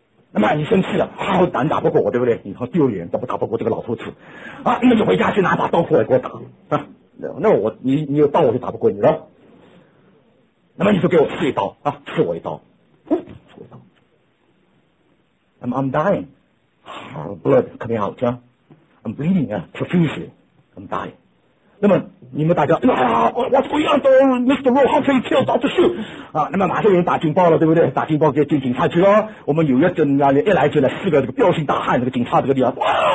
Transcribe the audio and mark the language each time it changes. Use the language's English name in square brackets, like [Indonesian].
[Chinese] 那么你生气了，好胆打不过我，对不对？你好丢脸，怎么打不过这个老头子啊？那你回家去拿把刀出来给我打啊，那我你有刀我就打不过你了，那么你就给我刺一刀啊，刺我一刀，刺我一刀。 [English] I'm dying, hard blood coming out, I'm bleeding, profusely, I'm dying。 [Chinese] 那么你们大家啊 [English] ，What's going on, Don, Mr. Roe, how can you kill Dr. Su？ [Chinese] 啊，那么马上有人打警报了，对不对？打警报给进警察局了。我们纽约镇那里一来就来四个这个彪形大汉，这个警察这个地方，哇！